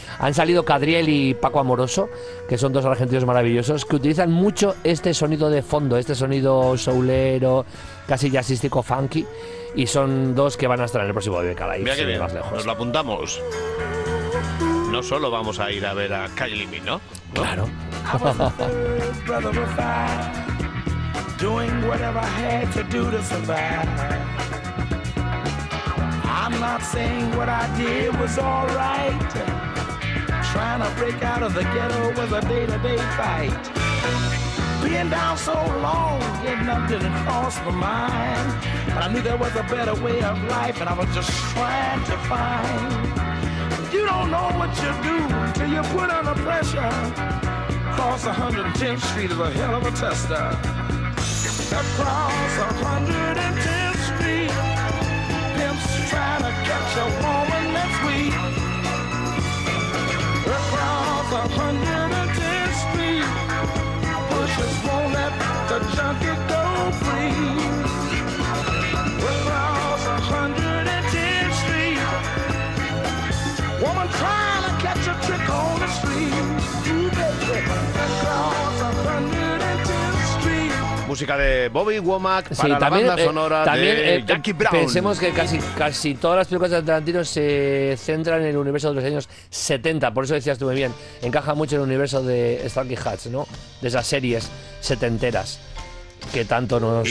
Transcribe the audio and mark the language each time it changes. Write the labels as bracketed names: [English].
[Spanish] Han salido Cadriel y Paco Amoroso, que son dos argentinos maravillosos, que utilizan mucho este sonido de fondo, este sonido soulero, casi jazzístico, funky, y son dos que van a estar en el próximo Vive Cala. Mira qué bien, más lejos. Nos lo apuntamos. No solo vamos a ir a ver a Kylie Minogue, ¿no? Claro. [English] Doing whatever I had to do to survive. I'm not saying what I did was all right. Trying to break out of the ghetto was a day-to-day fight. Being down so long, getting up didn't cross my mind. But I knew there was a better way of life, and I was just trying to find. You don't know what you do till you put under pressure. Cross 110th Street is a hell of a tester. Across 110th Street, pimps trying to catch a woman that's weak. Across 110th Street, pushers won't let the junkie go free. Across 110th Street, woman trying to catch a trick on the street. [Spanish] Música de Bobby Womack para sí, también, la banda sonora también, de Jackie Brown. Pensemos que casi todas las películas de Tarantino se centran en el universo de los años 70. Por eso decías tú muy bien, encaja mucho en el universo de Starsky Hutch, ¿no? De esas series setenteras que tanto nos marcaron.